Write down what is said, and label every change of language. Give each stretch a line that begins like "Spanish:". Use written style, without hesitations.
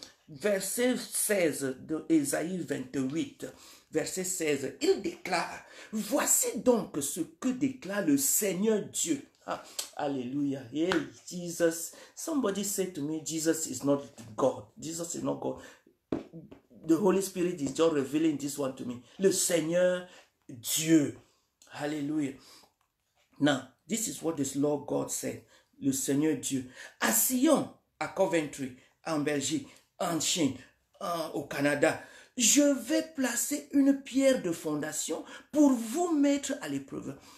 French: Verset 16 de Esaïe 28, verset 16, il déclare, voici donc ce que déclare le Seigneur Dieu. Alléluia. Hey, Jesus.
English: Somebody said to me, Jesus is not God. The Holy Spirit is just revealing this one to me.
French: Le Seigneur Dieu. Alléluia.
English: Now, this is what this Lord God said.
French: Le Seigneur Dieu. À Sion, à Coventry, en Belgique, en Chine, au Canada, je vais placer une pierre de fondation pour vous mettre à l'épreuve.